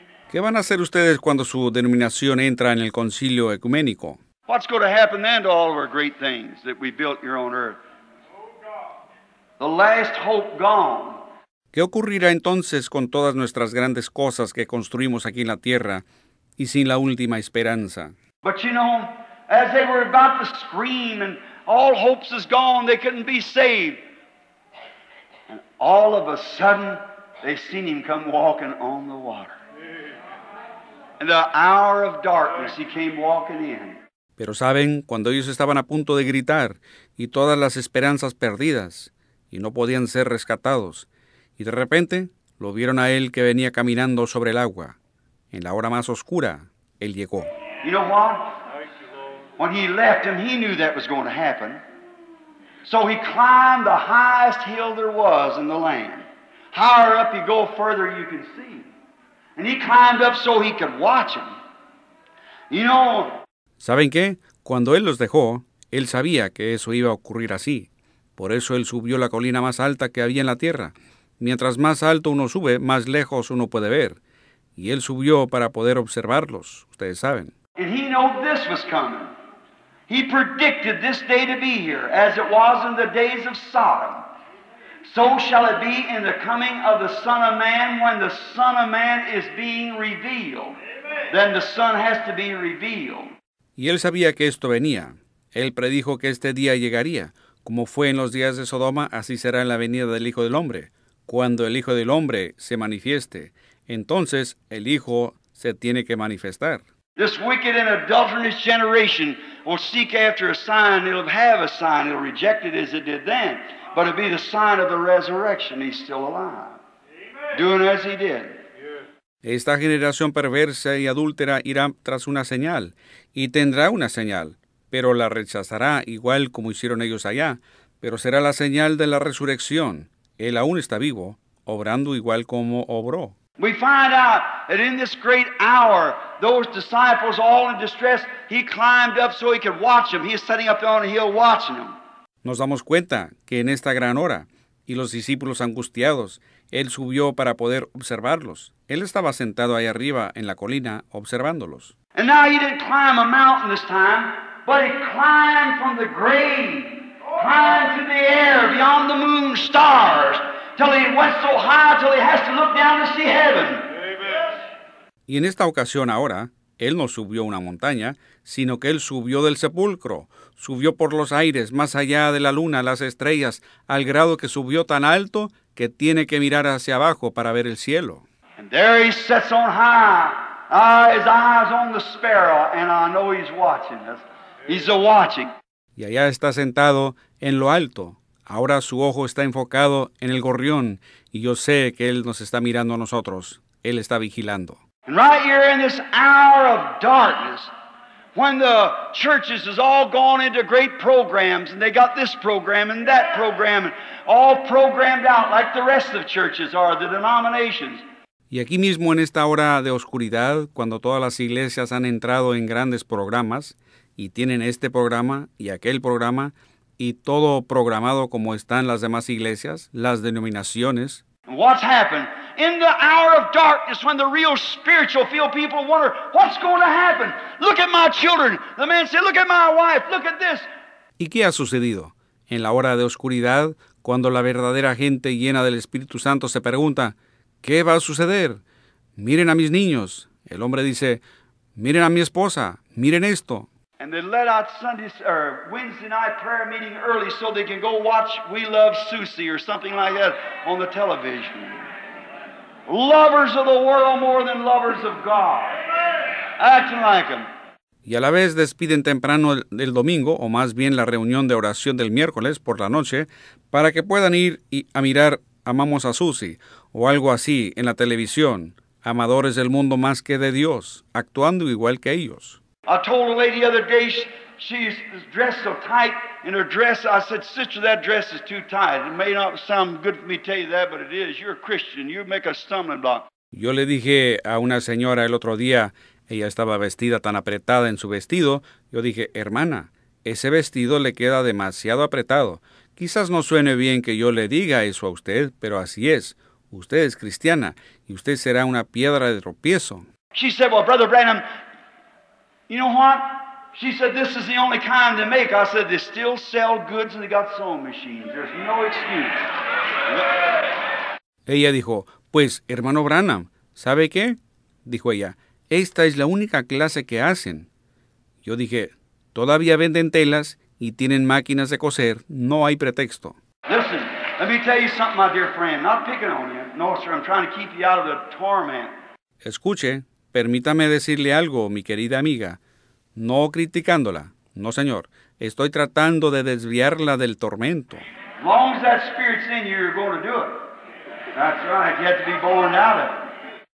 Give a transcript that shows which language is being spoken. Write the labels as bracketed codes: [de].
[es] ¿Qué van a hacer ustedes cuando su denominación entra en el Concilio Ecuménico? [en] What's going to happen then to all of our great things that we built here on earth? The last hope gone. [es] ¿Qué ocurrirá entonces con todas nuestras grandes cosas que construimos aquí en la tierra y sin la última esperanza? [en] But you know, as they were about to scream and all hopes is gone, they couldn't be saved. And all of a sudden, they seen him come walking on the water. In the hour of darkness, he came walking in. [es] Pero saben, cuando ellos estaban a punto de gritar y todas las esperanzas perdidas y no podían ser rescatados, y de repente lo vieron a él que venía caminando sobre el agua. En la hora más oscura, él llegó. [en] You know what? When he left him, he knew that was going to happen. So he climbed the highest hill there was in the land. Higher up you go, further you can see. And he climbed up so he could watch him. You know. [es] ¿Saben qué? Cuando él los dejó, él sabía que eso iba a ocurrir así. Por eso él subió la colina más alta que había en la tierra. Mientras más alto uno sube, más lejos uno puede ver. Y él subió para poder observarlos, ustedes saben. [en] And he knew this was coming. He predicted this day to be here, as it was in the days of Sodom. So shall it be in the coming of the Son of Man, when the Son of Man is being revealed. Amen. Then the Son has to be revealed. [es] Y él sabía que esto venía. Él predijo que este día llegaría. Como fue en los días de Sodoma, así será en la venida del Hijo del Hombre. Cuando el Hijo del Hombre se manifieste, entonces el Hijo se tiene que manifestar. [en] This wicked and adulterous generation will seek after a sign. It'll have a sign. It'll reject it as it did then. But it'll be the sign of the resurrection. He's still alive. Amen. Doing as he did. [es] Esta generación perversa y adúltera irá tras una señal, y tendrá una señal, pero la rechazará igual como hicieron ellos allá, pero será la señal de la resurrección. Él aún está vivo, obrando igual como obró. [en] We find out that in this great hour, those disciples all in distress, he climbed up so he could watch them. He is sitting up there on a hill watching them. [es] Nos damos cuenta que en esta gran hora, y los discípulos angustiados, él subió para poder observarlos. Él estaba sentado ahí arriba en la colina observándolos. [en] And now he didn't climb a mountain this time, but he climbed from the grave, climbed to the air, beyond the moon, stars, till he went so high till he has to look down to see heaven. [es] Y en esta ocasión ahora, él no subió una montaña, sino que él subió del sepulcro, subió por los aires, más allá de la luna, las estrellas, al grado que subió tan alto que tiene que mirar hacia abajo para ver el cielo. [en] And there he sits on high, his eyes on the sparrow, and I know he's watching us. He's watching. [es] Y allá está sentado en lo alto. Ahora su ojo está enfocado en el gorrión, y yo sé que él nos está mirando a nosotros. Él está vigilando. [en] And right here in this hour of darkness, when the churches has all gone into great programs, and they got this program and that program, and all programmed out like the rest of the churches are, the denominations. [es] Y aquí mismo en esta hora de oscuridad, cuando todas las iglesias han entrado en grandes programas, y tienen este programa y aquel programa, y todo programado como están las demás iglesias, las denominaciones. [en] What's happened? In the hour of darkness, when the real spiritual field people wonder, what's going to happen? Look at my children. The man said, look at my wife. Look at this. [es] ¿Y qué ha sucedido? En la hora de oscuridad, cuando la verdadera gente llena del Espíritu Santo se pregunta, ¿qué va a suceder? Miren a mis niños. El hombre dice, miren a mi esposa. Miren esto. [en] And they let out Wednesday night prayer meeting early so they can go watch We Love Susie or something like that on the television. Lovers of the world more than lovers of God. Acting like them. [es] Y a la vez despiden temprano el domingo, o más bien la reunión de oración del miércoles por la noche, para que puedan ir y a mirar Amamos a Susie o algo así en la televisión, amadores del mundo más que de Dios, actuando igual que ellos. [en] I told a lady the other day, she's dressed so tight in her dress. I said, sister, that dress is too tight. It may not sound good for me to tell you that, but it is. You're a Christian. You make a stumbling block. [es] Yo le dije a una señora el otro día, Ella estaba vestida tan apretada en su vestido. Yo dije, hermana, ese vestido le queda demasiado apretado. Quizás no suene bien que yo le diga eso a usted, pero así es. Usted es cristiana y usted será una piedra de tropiezo. [en] She said, well, Brother Branham, you know what? She said, this is the only kind they make. I said, they still sell goods and they got sewing machines. There's no excuse. [es] Ella dijo, pues, hermano Branham, ¿sabe qué? Dijo ella, esta es la única clase que hacen. Yo dije, todavía venden telas y tienen máquinas de coser. No hay pretexto. [en] Listen, let me tell you something, my dear friend. Not picking on you. No, sir, I'm trying to keep you out of the torment. [es] Escuche, permítame decirle algo, mi querida amiga. No criticándola. No, señor. Estoy tratando de desviarla del tormento. [en] As long as that spirit's in you, you're going to do it. That's right. You have to be born out of it.